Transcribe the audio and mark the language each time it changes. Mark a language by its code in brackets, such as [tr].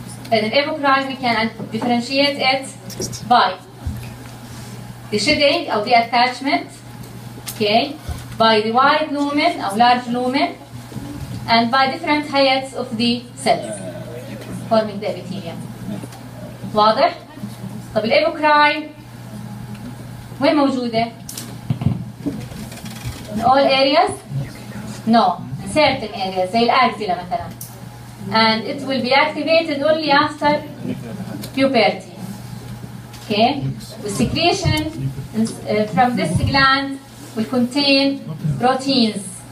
[en] And an epicrine we can differentiate it by the shedding of the attachment, okay, by the wide lumen or large lumen, and by different heights of the cells forming the epithelium. [ar] واضح؟ طب الابوكراين وين موجودة؟ [en] In all areas? No. In certain areas, [ar] زي الأكسلة مثلا. [en] And it will be activated only after puberty. Okay? The secretion from this gland will contain proteins.